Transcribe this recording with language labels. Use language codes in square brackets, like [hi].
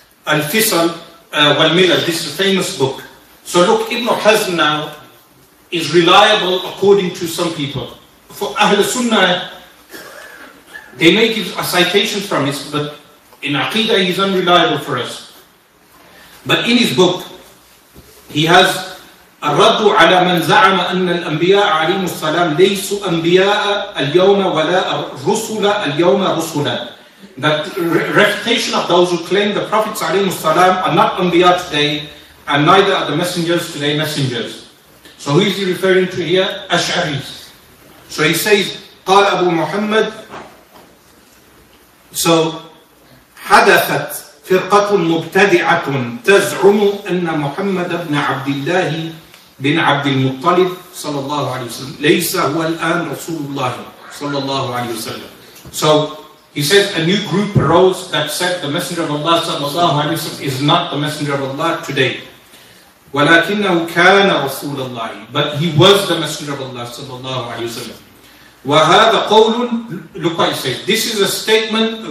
[en] Al-Fisal wal-Milal, this is a famous book. So look, Ibn Hazm now is reliable according to some people. For Ahl Sunnah, they make a citation from it, but in Aqidah he's unreliable for us. But in his book, he has [ar] الرد على من زعم أن الأنبياء عليهم السلام ليسوا أنبياء اليوم ولا رسل اليوم رسلا. [en] That refutation of those who claim the Prophets alayhi salam are not Anbiya today and neither are the messengers today messengers. So who is he referring to here? Ash'aris. So he says, [ar] قال أبو محمد. So حدثت فرقة مبتدعة تزعم أن محمد بن عبد الله بن عبد المطلب صلى الله عليه وسلم ليس هو الآن رسول الله صلى الله عليه وسلم. [en] So he says a new group arose that said the Messenger of Allah sallallahu alaihi wasallam is not the Messenger of Allah today. [ar] وَلَكِنَّهُ كَانَ رَسُولَ اللَّهِ. [en] But he was the Messenger of Allah sallallahu alaihi wasallam. [ar] وَهَذَا قَوْلٌ. [en] Look what he says. This is a statement.